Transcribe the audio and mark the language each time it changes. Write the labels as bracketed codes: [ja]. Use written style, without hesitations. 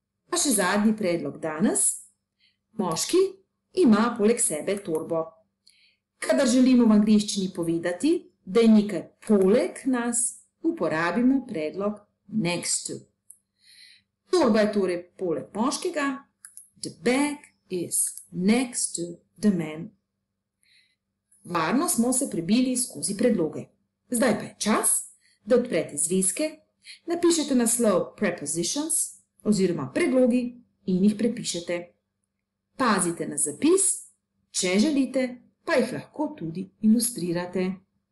[sl] Pa še zadnji predlog danes. Moški ima poleg sebe torbo. Kadar želimo v angleščini povedati, da je nekaj poleg nas, uporabimo predlog next to. Torba je torej poleg moškega. [en] The bag is next to the man. [sl] Varno smo se prebili skozi predloge. Zdaj pa je čas, da odprete zvezke, napišete naslov prepositions oziroma predlogi in jih prepišete. Pazite na zapis, če želite, pa jih lahko tudi ilustrirate.